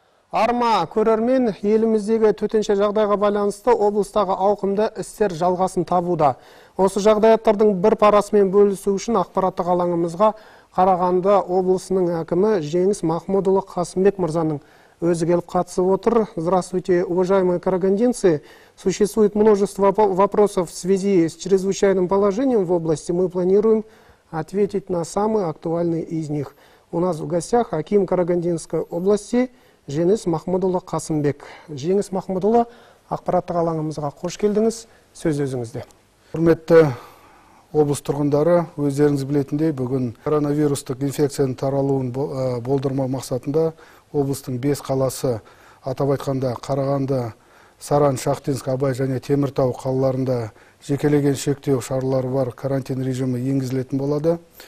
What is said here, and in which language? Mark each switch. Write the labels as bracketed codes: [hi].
[kk] Арма, көрермен, еліміздегі төтенше жағдайға байланысты облыстағы ауқымды істер жалғасын табуда. Осы жағдайаттардың бір парасымен бөлісу үшін ақпараттық алаңымызға Қарағанды облысының әкімі Женіс Махмудұлы Қасымбек мырзаның өзі келіп қатысып отыр. [ru] Здравствуйте, уважаемые карагандинцы! Существует множество вопросов в связи с чрезвычайным положением в области. Мы планируем ответить на самые актуальные из них. У нас в гостях аким Карагандинской области Женіс Махмудұлы Қасымбек. [kk] Женіс Махмудұлы, ақпараттық алаңымызға қош келдіңіз. Сөз өзіңізде. Құрметті облыс тұрғындары, өздеріңіз білетіндей, бүгін коронавирустық инфекцияның таралуын болдырмау мақсатында облыстың 5 қаласы, атап айтқанда Қарағанды, Саран, Шахтинск, Абай және Теміртау қалаларында жекелеген шектеу шаралары бар карантин режимі енгізілетін болады.